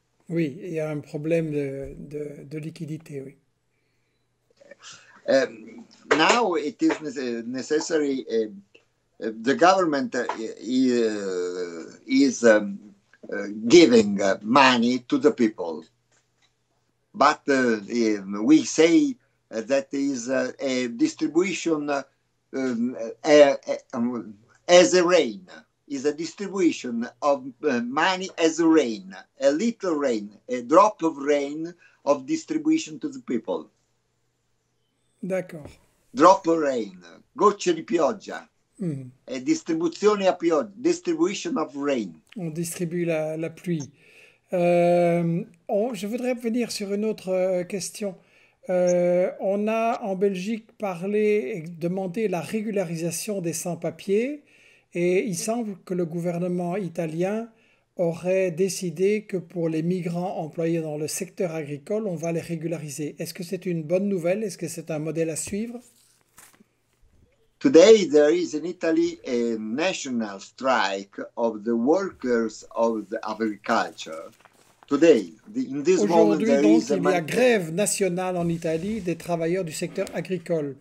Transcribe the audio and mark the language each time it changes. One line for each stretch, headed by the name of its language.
French: Oui, il y a un problème de liquidité, oui.
English: Now it is necessary the government is giving money to the people. But we say that is a distribution as a rain, is a distribution of money as a rain, a little rain, a drop of rain of distribution to the people.
French: D'accord.
English: Drop of rain,
Italian: gocce di pioggia, a distribuzione a pioggia,
English: distribution of rain.
French: On distribue la pluie. Je voudrais venir sur une autre question. On a en Belgique parlé et demandé la régularisation des sans-papiers et il semble que le gouvernement italien aurait décidé que pour les migrants employés dans le secteur agricole, on va les régulariser. Est-ce que c'est une bonne nouvelle? Est-ce que c'est un modèle à suivre?
English: Today there is in Italy a national strike of the workers of the agriculture. Today, in this moment, there
French: donc,
English: is
French: il y a grève nationale en Italie des travailleurs du secteur agricole.